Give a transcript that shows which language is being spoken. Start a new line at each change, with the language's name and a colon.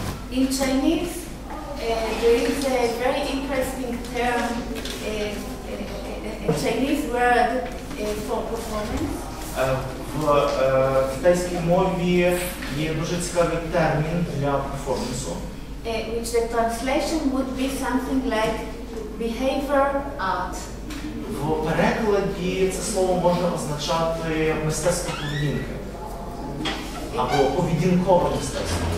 English: In Chinese there is a very interesting term, a Chinese word for performance.
Ukrainian: В китайській мові є дуже цікавий термін для перформансу.
English: Which the translation would be something like behavior art.
Ukrainian: В перекладі це слово може означати мистецтво поведінки. Або поведінкове мистецтво.